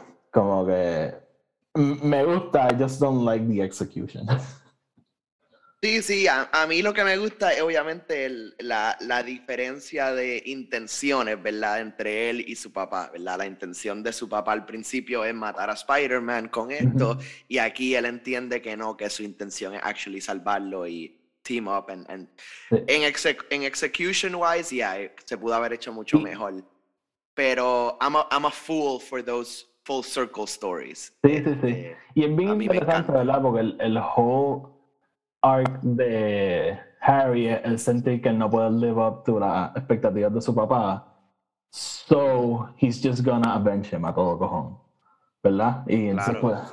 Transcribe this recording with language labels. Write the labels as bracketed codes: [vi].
[es] como que... Me gusta, [en] I just don't like the execution. [es] Sí, a mí lo que me gusta es obviamente la diferencia de intenciones, ¿verdad? Entre él y su papá, ¿verdad? La intención de su papá al principio es matar a Spider-Man con esto, uh-huh. y aquí él entiende que no, que su intención es actually salvarlo y [en] team up. [es] And en execution-wise, se pudo haber hecho mucho mejor. [en] Pero I'm a fool for those full circle stories. [es] Sí. Y es bien interesante, ¿verdad? Porque el whole... arc de Harry, el sentir que no puede [en] live up to [es] las expectativas de su papá, [en] so he's just gonna avenge him [es] a todo cojón, ¿verdad? Y entonces pues